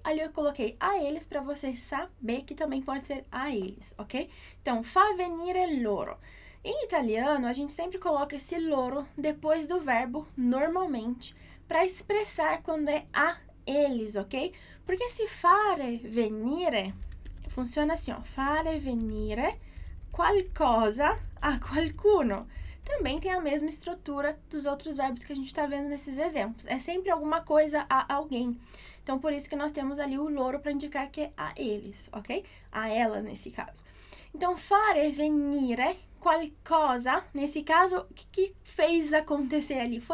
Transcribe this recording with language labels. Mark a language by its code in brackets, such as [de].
[pt] Ali eu coloquei a eles para você saber que também pode ser a eles, ok? Então, [it] fa venire loro. [pt] Em italiano, a gente sempre coloca esse loro depois do verbo, normalmente, para expressar quando é a eles, ok? Porque se [it] fare venire, [pt] funciona assim, ó. [it] Fare venire qualcosa a qualcuno. [pt] Também tem a mesma estrutura dos outros verbos que a gente está vendo nesses exemplos. É sempre alguma coisa a alguém. Então, por isso que nós temos ali o loro para indicar que é a eles, ok? A elas, nesse caso. Então, [it] fare venire qualcosa, [pt] nesse caso, que fez acontecer ali?